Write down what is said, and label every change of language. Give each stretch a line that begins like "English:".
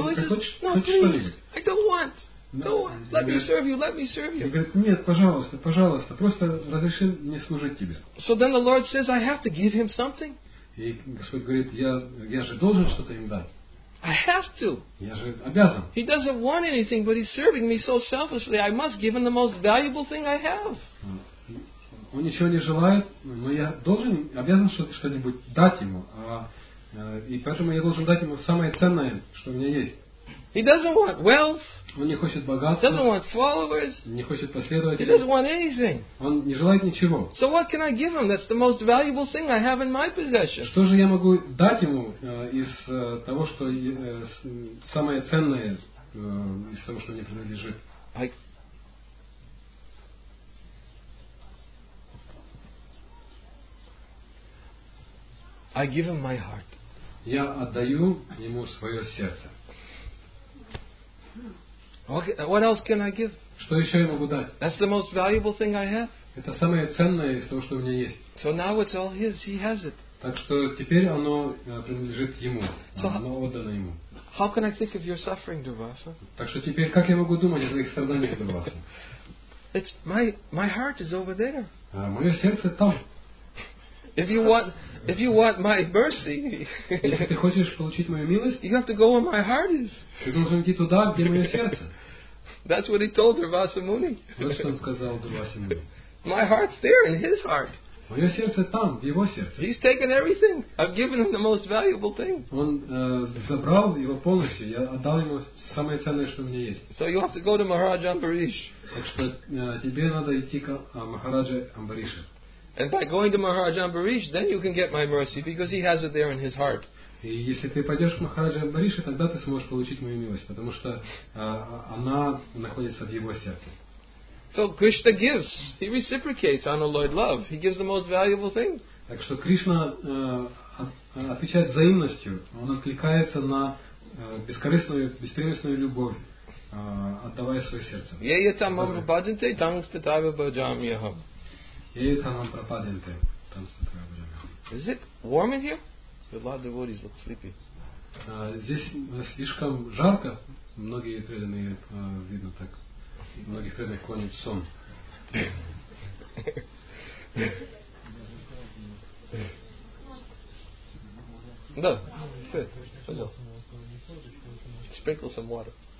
Russian: Хочешь,
English: no,
Russian: хочешь что-нибудь?
English: I don't want. No, let me serve you.
Russian: И говорит: нет, пожалуйста, пожалуйста, просто разреши мне служить тебе.
English: So then the Lord says, I have to give him something.
Russian: И Господь говорит: я же должен что-то им дать.
English: I have to.
Russian: Я же обязан.
English: He doesn't want anything, but he's serving me so selfishly. I must give him the most valuable thing I have.
Russian: Он ничего не желает, но я должен, обязан что-нибудь дать ему. И поэтому я должен дать ему самое ценное, что у меня есть.
English: He doesn't want wealth.
Russian: Он не хочет богатства.
English: He doesn't want followers.
Russian: Не хочет последователей.
English: He doesn't want anything.
Russian: Он не желает ничего.
English: So what can I give him? That's the most valuable thing I have in my possession.
Russian: Что же я могу дать ему из того, что самое ценное из того, что мне принадлежит?
English: I give him my heart.
Russian: Я отдаю ему свое сердце.
English: Okay, what else can I give?
Russian: Что еще я могу дать?
English: That's the most valuable thing I have.
Russian: Это самое ценное из того, что у меня есть.
English: So now it's all his. He has it.
Russian: Так что теперь оно принадлежит ему. So оно отдано ему.
English: How can I think of your suffering, Durvasa?
Russian: Так что теперь как я могу думать о твоих страданиях, Дурваса?
English: It's my heart is over there.
Russian: Мое сердце там.
English: If you want my mercy,
Russian: если ты хочешь получить мою милость,
English: you have to go where my heart is.
Russian: Ты должен идти туда, где мое сердце.
English: That's what he told Durvasamuni.
Russian: Вот что он сказал Дурвасамуни.
English: My heart's there in his heart.
Russian: Мое сердце там, в его сердце.
English: He's taken everything. I've given him the most valuable thing.
Russian: Он забрал его полностью. Я отдал ему самое ценное, что у меня есть.
English: So you have to go to Maharaj Ambarish.
Russian: Так что тебе надо идти к Махараджу Амбаришу.
English: And by going to Maharaj Ambarish, then you can get my mercy because he has it there in his heart.
Russian: И если ты пойдешь к Махараджу Амбаришу, тогда ты сможешь получить мою милость, потому что она находится в его сердце.
English: So Krishna gives, he reciprocates unalloyed love. He gives the most valuable thing.
Russian: Так что Кришна отвечает взаимностью. Он откликается на бескорыстную, бестремесную любовь, отдавая свое сердце.
Sanskrit: Yeya tam amra bhajante tamstatava bhajamyaham.
English: Is it warm in here? A lot of devotees look sleepy.
Russian: Здесь слишком жарко. Многие преданные видно так. Многих преданных клонит в сон. Да, пожалуйста.
English: Sprinkle some water.